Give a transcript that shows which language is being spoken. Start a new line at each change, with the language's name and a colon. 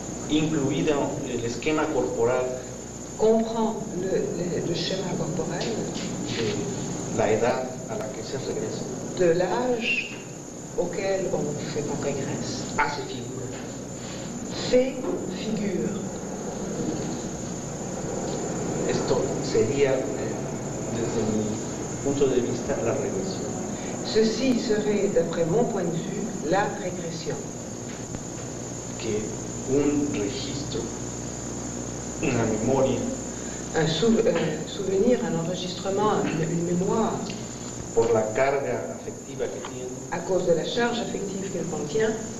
Spanish: Incluido el esquema corporal.
French: Comprend le schéma corporel.
Spanish: De la edad a la que se regresa.
French: De l'âge auquel on fait qu'on régresse.
Spanish: Hace figura.
French: Fait figure.
Spanish: Esto sería, desde mi punto de vista, la regresión.
French: Ceci serait, d'après mon point de vue, la régression.
Spanish: Que un registro, una memoria,
French: un souvenir, un enregistrement, une mémoire,
Spanish: por la carga afectiva que tiene,
French: a cause de la charge affective qu'elle contient,